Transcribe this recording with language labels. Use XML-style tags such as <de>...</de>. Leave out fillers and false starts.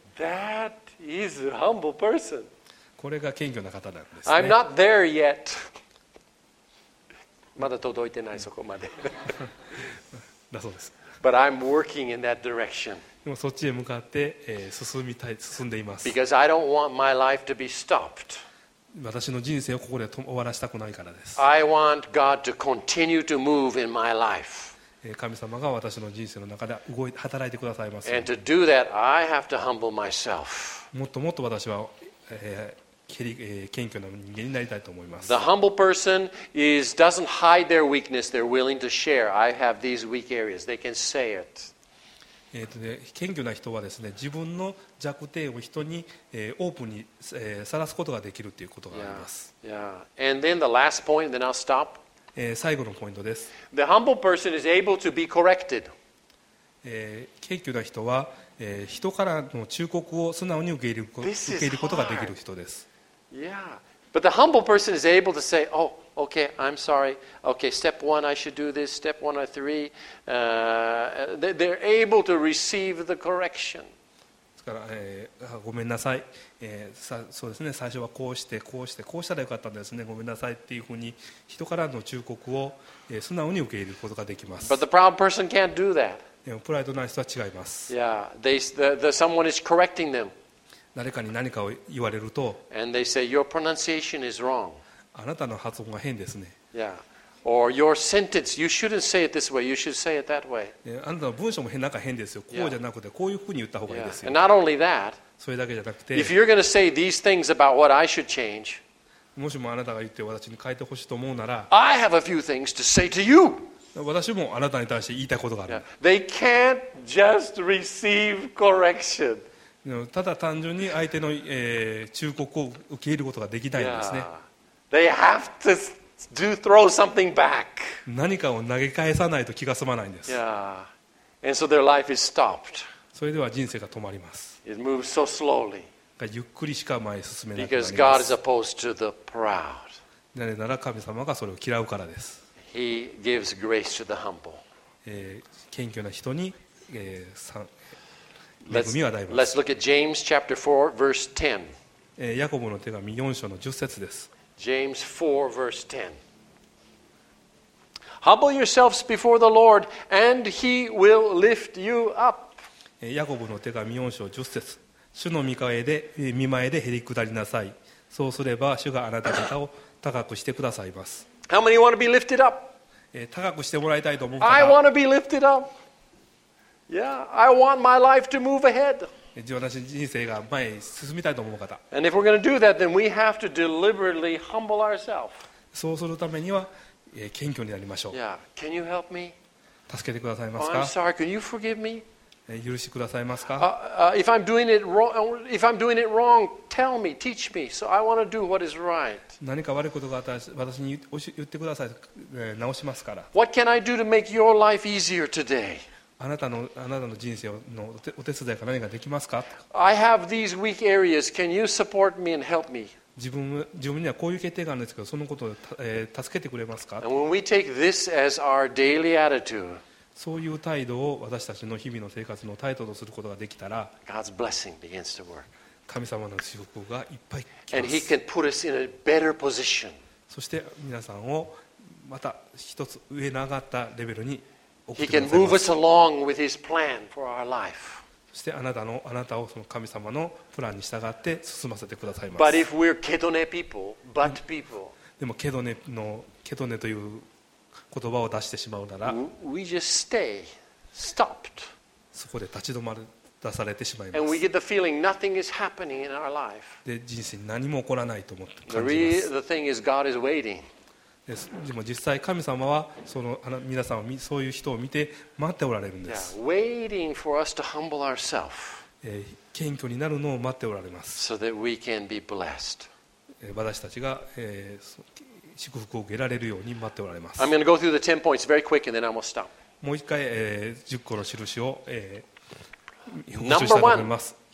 <en>That is a humble person.</en> <ja>これが謙虚な方なんですね。</ja> <en>I'm not there yet.</en> <ja>まだ届いてないそこまで。だそうです。</ja> <en>But I'm working in that direction.</en> <ja>でもそっちへ向かって、進みたい、進んでいます。</ja> <en>Because I don't want my life to be stopped.</en> <ja>私の人生をここで終わらせたくないからです。</ja> <en>I want God to continue to move in my life.</en> <ja>神様が私の人生の中で動い働いてくださいます。</ja> <en>And to do that, I have to humble myself.</en> <ja>もっともっと私は、謙虚な人間になりたいと思います。</ja> <en>The humble person is doesn't hide their weakness. They're willing to share. I have these weak areas. They can say it.</en> <ja>ね、謙虚な人はですね、自分の弱点を人に、オープンに、晒すことができるということがあります。</ja> <en>Yeah. And then the last point, then I'll stop.</en> <ja>最後のポイントです。</ja> <en>The humble person is able to be corrected.</en> <ja>謙虚な人は、人からの忠告を素直に受け入れることができる人です。</ja> <en>Yeah. But the humble person is able to say, oh. Okay, I'm sorry. Okay, step one, I should do this. Step one or three. They're able to receive the correction.</en> <ja>ですから、ごめんなさい、そうですね、最初はこうして、こうして、こうしたらよかったんですね。ごめんなさいっていうふうに、人からの忠告を、素直に受け入れることができます。</ja> <en>But the proud person can't do that.</en> <ja>でもプライドのない人は違います。</ja> <en>Yeah, someone is correcting them.</en> <ja>誰かに何かを言われると。</ja> <en>And they say, your pronunciation is wrong.</en> <ja>あなたの発音が変ですね。</ja> <en>Yeah. Or your sentence, you shouldn't say it this way. You should say it that way.</en> <ja>あなたの文章も変なんか変ですよ。こうじゃなくてこういうふうに言った方がいいですよ。</ja> <en>Yeah. And not only that.</en> <ja>それだけじゃなくて。</ja> <en>If you're going to say these things about what I should change.</en> <ja>もしもあなたが言って私に変えてほしいと思うなら。</ja> <en>I have a few things to say to you.</en> <ja>私もあなたに対して言いたいことがある。</ja> <en>Yeah. They can't just receive correction.</en> <ja>ただ単純に相手の、忠告を受け入れることができないんですね。</ja> <en>Yeah. They have to do throw something back.</en> <ja>何かを投げ返さないと気が済まないんです。</ja> <en>Yeah. And so their life is stopped.</en> <ja>それでは人生が止まります。</ja> <en>It moves so slowly.</en> <ja>ゆっくりしか前へ進めない。</ja> <en>Because God is opposed to the proud.</en> <ja>なぜなら神様がそれを嫌うからです。</ja> <en>He gives grace to the humble.</en> <ja>謙虚な人に、恵みを与えます。</ja> <en>Let's look at James chapter 4 verse 10.</en> <ja>ヤコブの手紙4章の10節です。</ja> <en>James 4 verse 10. Humble yourselves before the Lord, and He will lift you up.</en> <ja>ヤコブの手紙4章10節。主の御前でへり下りなさい。そうすれば主があなた方を高くしてくださいます。</ja> <en>How many want to be lifted up?</en> <ja>高くしてもらいたいと思うから。</ja> <en>I want to be lifted up. Yeah, I want my life to move ahead.</en> <ja>私の人生が前に進みたいと思う方。</ja> <en>And if we're going to do that, then we have to deliberately humble ourselves.</en> <ja>そうするためには、謙虚になりましょう。</ja> <en>Yeah. Can you help me?</en> <ja>助けてくださいますか。</ja> <en>Oh, I'm sorry. Can you forgive me?</en> <ja>許してくださいますか。</ja> <en>If I'm doing it wrong, tell me, teach me. So I want to do what is right.</en> <ja>何か悪いことがあったら私に言ってください。直しますから。</ja> <en>What can I do to make your life easier today?</en> <ja>あなたの人生のお手伝いか何かできますか。</ja> <en>I have these weak areas. Can you support me and help me?</en> <ja>自分にはこういう決定があるんですけど、そのことを、助けてくれますか。</ja> <en>And when we take this as our daily attitude,</en> <ja>そういう態度を私たちの日々の生活の態度とすることができたら、</ja> <en>God's blessing begins to work.</en> <ja>神様の祝福がいっぱい来ます。</ja> <en>And he can put us in a better position.</en> <ja>そして皆さんをまた一つ上に上がったレベルに</ja> <en>He can move us along with His plan for our life.</en> <ja>そしてあなたをその神様のプランに従って進ませてくださいます。</ja> <en>But if we're Kedone people, but people,</en> <ja>でもケドネという言葉を出してしまうなら、</ja> <en>we just stay stopped.</en> <ja>そこで立ち止まる出されてしまいます。</ja> <en>And we get the feeling nothing is happening in our life.</en> <ja>で人生に何も起こらないと思って感じます。</ja> <en>The thing is God is waiting.</en> <ja>でも実際神様はその皆さんをそういう人を見て待っておられるんです。</ja> <en>Yeah, waiting for us to humble ourselves.</en> <ja>謙虚になるのを待っておられます。</ja> <en>So that we can be blessed.</en> <ja>私たちが、祝福を受けられるように待っておられます。</ja> <en>I'm going to go through the 10 points very quick and then I will stop.</en> <ja>もう一回、10個の印を、復習したいと思います。</ja>